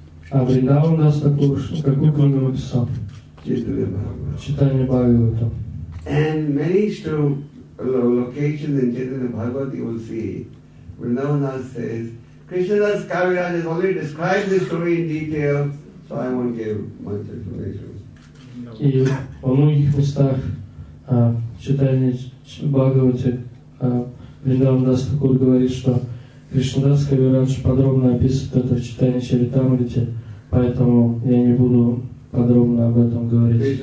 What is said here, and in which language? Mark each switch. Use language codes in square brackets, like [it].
[ru] А Вриндаван Дас Такур, какую книгу написал? Читание Бхагавата. [en] And many locations in Chaitanya Bhagavat you will see, Vrindavan Das says, Krishnadas Kaviraj has already described this story in detail, so I won't give much information. [ru] И во многих местах Читание Бхагавате Вриндаван Дас Такур говорит, что Кришнадас Кавирадж подробно описывает это в Читании Чаритамрите, поэтому я не буду подробно об этом говорить.